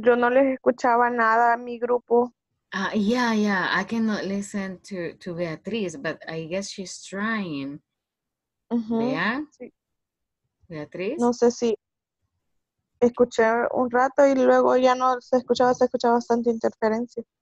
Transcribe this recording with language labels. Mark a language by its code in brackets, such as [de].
[es] Yo no les escuchaba nada a mi grupo. [en] Yeah. I cannot listen to Beatriz, but I guess she's trying. Beatriz? [es] No sé si... Escuché un rato y luego ya no se escuchaba bastante interferencia.